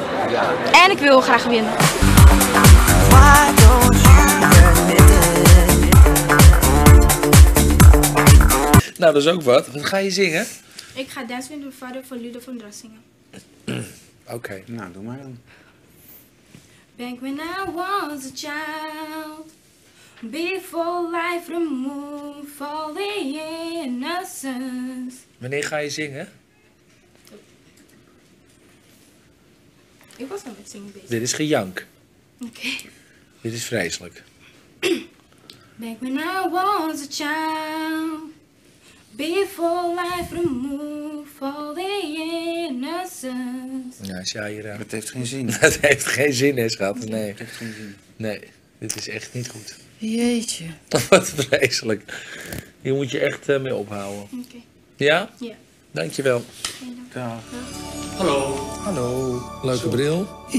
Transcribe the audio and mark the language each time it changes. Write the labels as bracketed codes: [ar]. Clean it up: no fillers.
[nl] Ja. En ik wil graag winnen. Nou, dat is ook wat. Wat ga je zingen? Ik ga Dance with My Father van Ludo van Dras zingen. Okay. Nou, doe maar dan. [en] Back when I was a child, before life removed all the innocence. [nl] Wanneer ga je zingen? Ik was al met zingen bezig. Dit is gejank. Oké. Okay. Dit is vreselijk. [en] Back when I was a child, before life removed all the innocence. [nl] Ja, Shaira. Het heeft geen zin. Het heeft geen zin, hè, schat. Nee. Het heeft geen zin. Nee, dit is echt niet goed. Jeetje. Wat vreselijk. Hier moet je echt mee ophouden. Oké. Ja? Ja. Dankjewel. Dag. Hallo. Hallo. Leuke zo. Bril.